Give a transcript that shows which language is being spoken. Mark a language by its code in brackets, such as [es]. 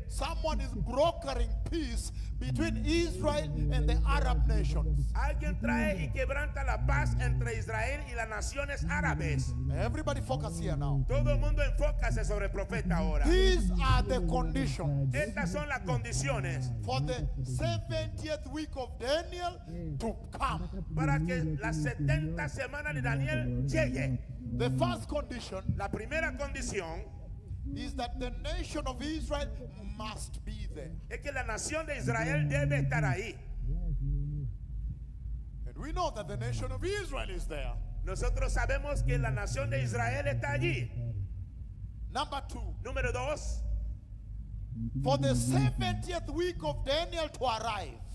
[en] someone is brokering peace between Israel and the Arab nations. [es] Alguien trae y quebranta la paz entre Israel y las naciones árabes. [en] Everybody focus here now. [es] Todo el mundo enfócase sobre el profeta ahora. [en] These are the conditions. [es] Estas son las condiciones. [en] For the 70th week of Daniel to come. [es] Para que la 70 semana de Daniel llegue. [en] The first condition. [es] La primera condición. [en] Is that the nation of Israel must be there. [es] Es que la nación de Israel debe estar ahí. [en] And we know that the nation of Israel is there. [es] Nosotros sabemos que la nación de Israel está allí. [en] Number two. [es] Número dos. [en] For the 70th week of Daniel to arrive.